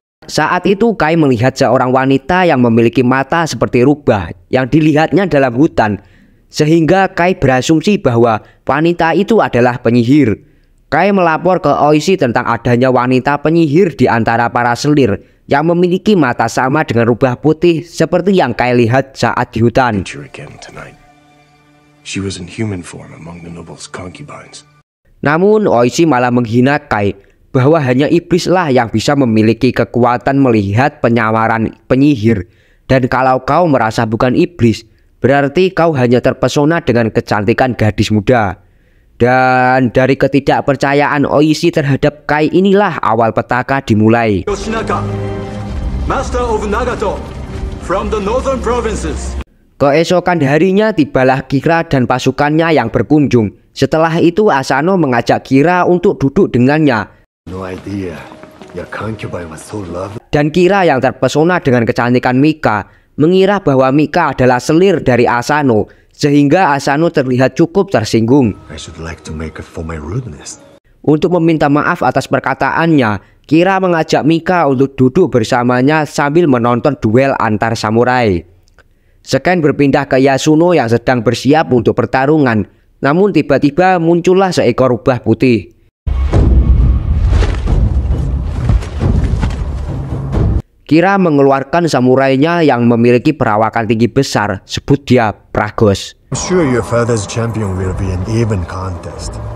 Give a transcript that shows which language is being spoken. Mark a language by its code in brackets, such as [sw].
[id] Saat itu Kai melihat seorang wanita yang memiliki mata seperti rubah yang dilihatnya dalam hutan. Sehingga Kai berasumsi bahwa wanita itu adalah penyihir. Kai melapor ke Oishi tentang adanya wanita penyihir di antara para selir yang memiliki mata sama dengan rubah putih seperti yang Kai lihat saat di hutan. [en] She was in human form among the noble's concubines. [id] Namun Oishi malah menghina Kai bahwa hanya iblislah yang bisa memiliki kekuatan melihat penyamaran penyihir. Dan kalau kau merasa bukan iblis, berarti kau hanya terpesona dengan kecantikan gadis muda. Dan dari ketidakpercayaan Oishi terhadap Kai inilah awal petaka dimulai. [en] Yoshinaka, Master of Nagato, from the northern provinces. [id] Keesokan harinya tibalah Kira dan pasukannya yang berkunjung. Setelah itu Asano mengajak Kira untuk duduk dengannya. [en] No idea. Your concubine was so lovely. [id] Dan Kira yang terpesona dengan kecantikan Mika mengira bahwa Mika adalah selir dari Asano, sehingga Asano terlihat cukup tersinggung. [en] I should like to make up for my rudeness. [id] Untuk meminta maaf atas perkataannya, Kira mengajak Mika untuk duduk bersamanya sambil menonton duel antar samurai. Seken berpindah ke Yasuno yang sedang bersiap untuk pertarungan, namun tiba-tiba muncullah seekor rubah putih. Kira mengeluarkan samurainya yang memiliki perawakan tinggi besar, sebut dia Pragos. [en] I'm sure your father's champion will be an even contest.